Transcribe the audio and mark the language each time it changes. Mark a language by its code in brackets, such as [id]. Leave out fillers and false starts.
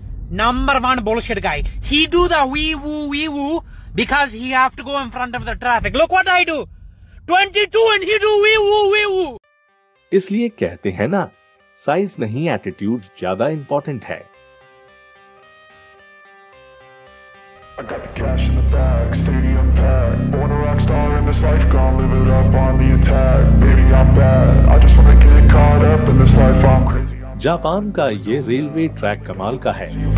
[en] Number one bullshit guy. He do the wee woo because he have to go in front of the traffic. Look what I do. 22 and he do wee woo. [hi] इसलिए कहते हैं ना, size नहीं attitude ज्यादा important है. [en] I got the cash in the bag, stadium packed. Born a rock star in this life, gonna live it up on the attack. Baby, I'm bad. I just wanna get caught up in this life, I'm crazy. [hi] Japan का ये railway track कमाल का है.